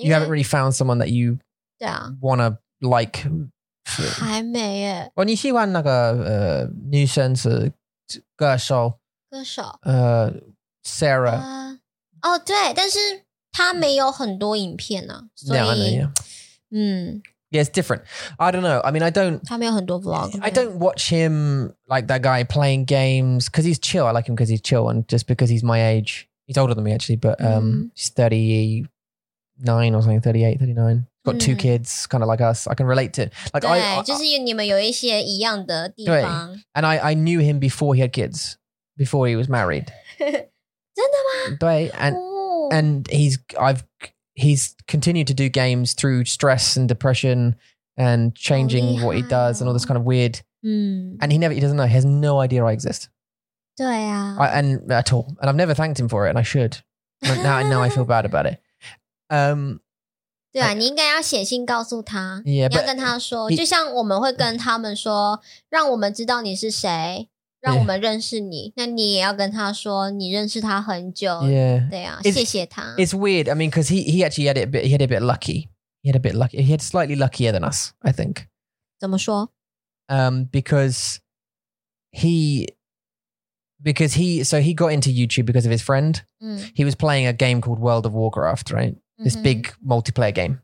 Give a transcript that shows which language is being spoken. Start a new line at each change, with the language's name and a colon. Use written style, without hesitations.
English: You haven't really found someone that you wanna like.
Chinese: 还没耶。哦，你喜欢那个女生是歌手。歌手
English: Sarah
Chinese: 哦、对但是他没有很多影片啊所以
English: yeah, I know, yeah. Yeah, it's different. I don't know. I mean, I don't
Chinese: 他没有很多 vlog.
English: I don't watch him like that guy playing games because he's chill. I like him because he's chill and just because he's my age. He's older than me actually but he's 39 or something 38, 39. Got two kids, kind of like us. I can relate to. Like,
Chinese: 对就是你们有一些一样的地方。对
English: and I knew him before he had kids. Before he was married.
Chinese: 真的吗?
English: 对, and he's continued to do games through stress and depression and changing what he does and all this kind of weird. And he doesn't know. He has no idea I exist.
Chinese: 对啊。
English: And at all. And I've never thanked him for it and I should. Now I feel bad about it.
Chinese: 对啊, 你应该要写信告诉他。
English: Yeah,
Chinese: 你要跟他说, 就像我们会跟他们说, 让我们知道你是谁。让我们认识你
English: yeah.
Chinese: 那你也要跟他说你认识他很久
English: yeah.
Chinese: 对啊 谢谢他
English: It's weird, I mean, because he actually had it a bit, he had a bit lucky. He had a bit lucky. He had slightly luckier than us, I think.
Chinese: 怎么说?
English: Because he, so he got into YouTube because of his friend. He was playing a game called World of Warcraft, right? This big multiplayer game.